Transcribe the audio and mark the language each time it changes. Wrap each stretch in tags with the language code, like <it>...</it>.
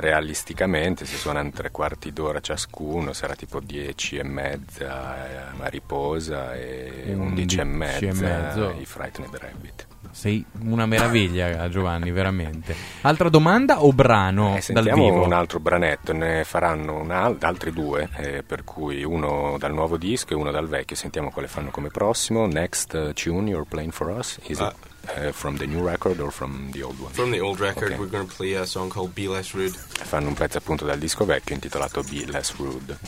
<it>Realisticamente si suonano 3/4 d'ora ciascuno, sarà tipo 10:30 Mariposa e 11:30 i Frightened Rabbit. Sei una meraviglia, Giovanni, veramente. Altra domanda o brano dal vivo? Sentiamo un altro branetto, ne faranno altri due, per cui uno dal nuovo disco e uno dal vecchio. Sentiamo quale fanno come prossimo.</it> <en>Next tune you're playing for us, is it from the new record or from the old one? From the old record, okay. We're going to play a song called Be Less Rude.</en> <it>Fanno un pezzo appunto dal disco vecchio intitolato Be Less Rude.</it>